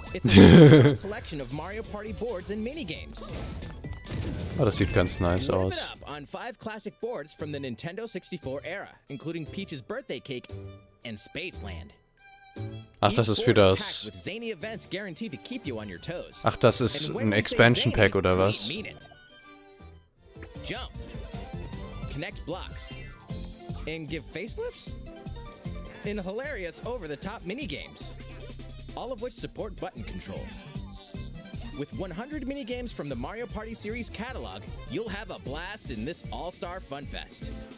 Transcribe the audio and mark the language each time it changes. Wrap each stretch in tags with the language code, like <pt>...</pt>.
<en>It's a collection of Mario Party boards and minigames.</en> <de>Oh, das sieht ganz nice aus. Live</de> <en>it up on 5 classic boards from the Nintendo 64 era, including Peach's Birthday Cake and Spaceland.</en> <de>Ach, das ist für das...</de> <en>Zany events guaranteed to keep you on your toes.</en> <de>Ach, das ist ein expansion pack oder was?</de> <en>Jump. Connect blocks and give facelifts in hilarious over-the-top minigames, all of which support button controls. With 100 minigames from the Mario Party series catalog, you'll have a blast in this all-star fun fest.</en>